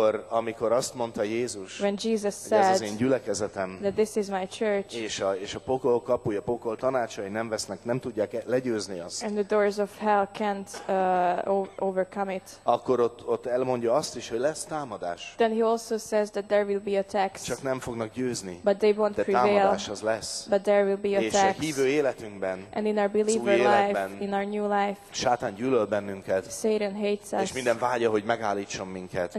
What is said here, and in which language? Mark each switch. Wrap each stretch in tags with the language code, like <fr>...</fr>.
<hu>amikor azt mondta Jézus,</hu> <en>when Jesus said,</en> <hu>hogy ez az én gyülekezetem,</hu> <en>that this is my church,</en> <hu>és a pokol kapuja, pokol tanácsai nem vesznek, nem tudják legyőzni azt,</hu> <en>and the doors of hell can't overcome it,</en> <hu>akkor ott elmondja azt is, hogy lesz támadás,</hu> <en>then he also says that there will be attacks,</en> <hu>csak nem fognak győzni,</hu> <en>but they won't</en> <hu>de</hu> <en>prevail,</en> <hu>támadás az lesz,</hu> <en>but there will be attacks,</en> <hu>és a hívő életünkben,</hu> <en>and in our believer life, in our new life.</en> <hu>Sátán gyűlöl bennünket.</hu> <en>Satan hates us.</en> <hu>És minden vágya, hogy megállítson minket.</hu>